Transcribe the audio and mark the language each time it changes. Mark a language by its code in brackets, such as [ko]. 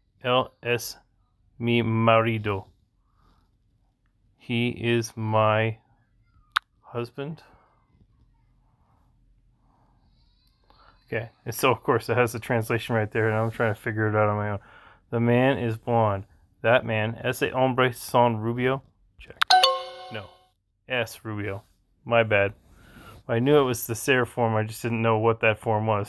[es] Él es mi marido. [en] He is my husband. Okay, and so of course it has the translation right there, and I'm trying to figure it out on my own. The man is blonde. That man, [es] ese hombre son rubio. [en] Check. [es] No. Es rubio. [en] My bad. I knew it was the ser form, I just didn't know what that form was.